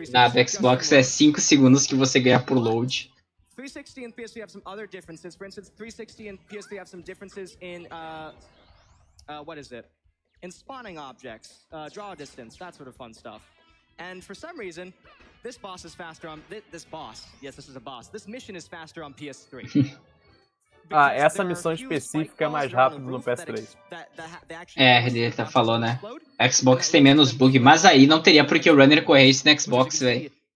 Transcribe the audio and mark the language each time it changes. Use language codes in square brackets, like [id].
[pt] Na Xbox é 5 segundos que você ganha por load. [en] 360 and PS3 have some other differences. For instance, 360 and PS3 have some differences in what is it? In spawning objects, draw distance, that sort of fun stuff. And for some reason, this boss is faster on this boss. Yes, this is a boss. This mission is faster on PS3. [pt] essa missão específica é mais rápida no PS3. É, ele até falou, né? Xbox tem menos bug, mas aí não teria porque o runner correr isso no Xbox, velho.